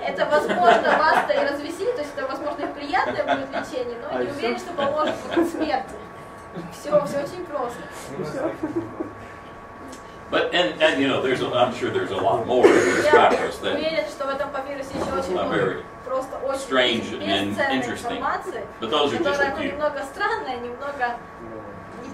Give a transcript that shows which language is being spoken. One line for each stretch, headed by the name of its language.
Russian: Это возможно вас и развеселит, то есть это возможно приятное будет лечение, но не уверен, что поможет от смерти. Все очень просто.
English: But and you know there's a, I'm sure there's a lot more in this papyrus than a very strange and interesting. But those are just a few.
Russian: Немного странное, немного не